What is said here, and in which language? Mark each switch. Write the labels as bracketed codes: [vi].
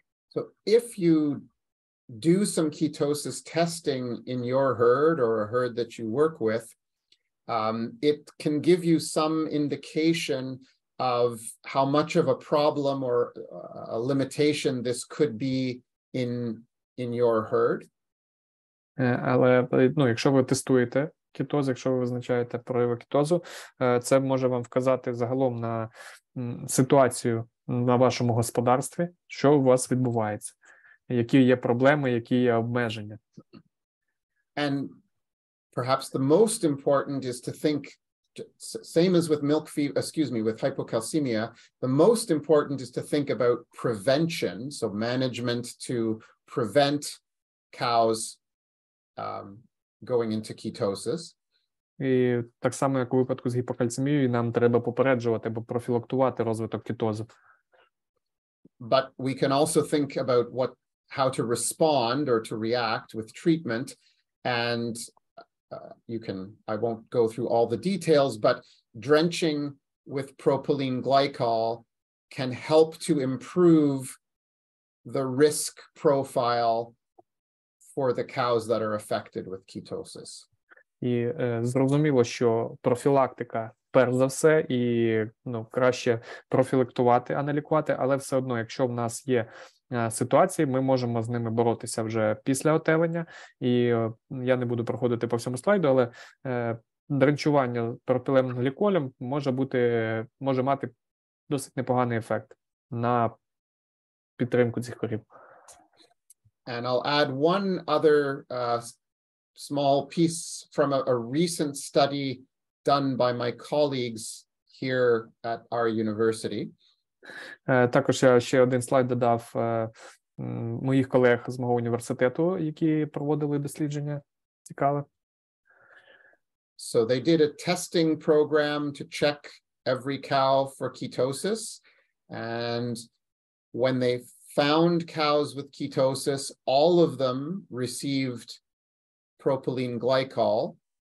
[en] So if you do some ketosis testing in your herd or a herd that you work with, it can give you some indication of how much of a problem or a limitation this could be in your herd. [uk] Але, якщо ви тестуєте кетоз, якщо ви визначаєте прояви кетозу, це може вам вказати загалом на ситуацію на вашому господарстві, що у вас відбувається, які є проблеми, які є обмеження. [en] And perhaps the most important is to think, same as with milk fever, excuse me, with hypocalcemia, the most important is to think about prevention, so management to prevent cows going into ketosis. [uk] І так само, як у випадку з гіпокальцемією, нам треба попереджувати або профілактувати розвиток кетозу. [en] But we can also think about how to respond or to react with treatment, and I won't go through all the details, but drenching with propylene glycol can help to improve the risk profile for the cows that are affected with ketosis. [uk] І зрозуміло, що профілактика перш за все, і краще профілактувати, а не лікувати, але все одно, якщо в нас є ситуації, ми можемо з ними боротися вже після отелення, і я не буду проходити по всьому слайду, але дренчування пропіленовим гліколем може мати досить непоганий ефект на підтримку цих корів. [en] And I'll add one other small piece from a recent study done by my colleagues here at our university. [uk] Також я ще один слайд додав моїх колег з мого університету, які проводили дослідження. Цікаво. [en] So they did a testing program to check every cow for ketosis, and when they found cows with ketosis, all of them received propylene glycol.